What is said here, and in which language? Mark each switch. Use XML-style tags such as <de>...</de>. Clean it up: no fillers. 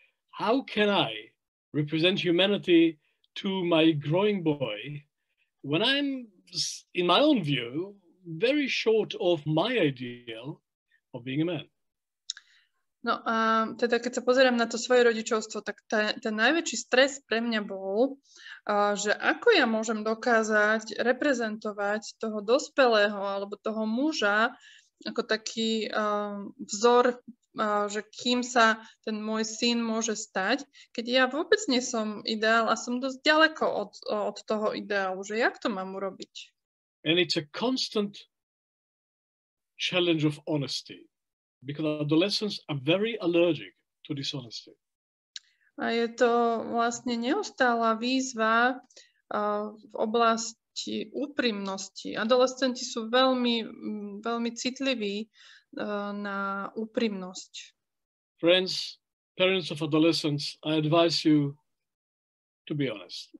<en>How can I represent humanity to my growing boy when I'm, in my own view, very short of my ideal of being a man?</en> <sk>No a teda keď sa pozerám na to svoje rodičovstvo, tak ten najväčší stres pre mňa bol, že ako ja môžem dokázať reprezentovať toho dospelého alebo toho muža ako taký vzor, že kým sa ten môj syn môže stať, keď ja vôbec nie som ideál a som dosť ďaleko od toho ideálu, že jak to mám urobiť?</sk> <en>And it's a constant challenge of honesty. Because adolescents are very allergic to dishonesty.</en> <sk>A je to vlastne neustála výzva v oblasti úprimnosti. Adolescenti sú veľmi, veľmi citliví na úprimnosť.</sk> <en>Friends, parents of adolescents, I advise you to be honest.</en>